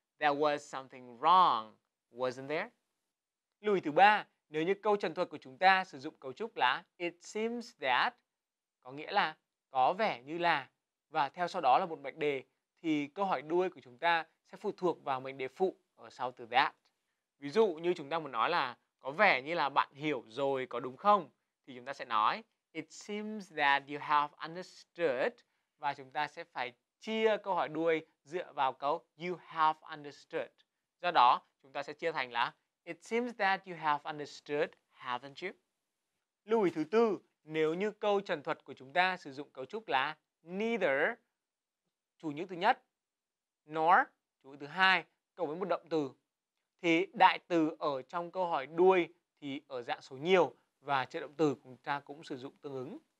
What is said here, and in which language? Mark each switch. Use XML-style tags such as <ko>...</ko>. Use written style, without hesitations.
<en>There was something wrong, wasn't there?</en> <vi>Lưu ý thứ ba, nếu như câu trần thuật của chúng ta sử dụng cấu trúc là it seems that, có nghĩa là có vẻ như là, và theo sau đó là một mệnh đề, thì câu hỏi đuôi của chúng ta sẽ phụ thuộc vào mệnh đề phụ ở sau từ that. Ví dụ như chúng ta muốn nói là có vẻ như là bạn hiểu rồi có đúng không? Thì chúng ta sẽ nói</vi> <en>it seems that you have understood,</en> <vi>và chúng ta sẽ phải chia câu hỏi đuôi dựa vào câu</vi> <en>you have understood.</en> <vi>Do đó, chúng ta sẽ chia thành là</vi> <en>it seems that you have understood, haven't you?</en> <vi>Lưu ý thứ tư, nếu như câu trần thuật của chúng ta sử dụng cấu trúc là neither, chủ ngữ thứ nhất, nor, chủ ngữ thứ hai, cộng với một động từ, thì đại từ ở trong câu hỏi đuôi thì ở dạng số nhiều và trợ động từ chúng ta cũng sử dụng tương ứng.</vi>